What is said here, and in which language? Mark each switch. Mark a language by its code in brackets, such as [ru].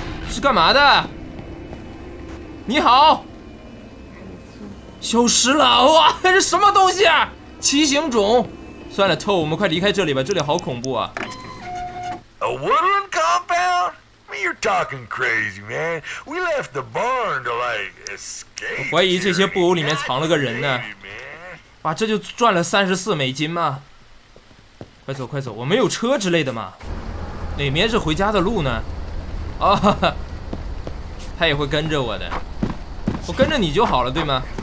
[zh] 是干嘛的？你好，消失了！哇，这什么东西啊？奇形种！算了，我们快离开这里吧，这里好恐怖啊 [en] ！A woodland compound? You're talking crazy, man. We left the barn to like escape. [zh] 怀疑这些布偶里面藏了个人呢。哇，这就赚了$34吗？快走，快走，我们有车之类的吗？哪边是回家的路呢？啊、哦，他也会跟着我的，我跟着你就好了，对吗？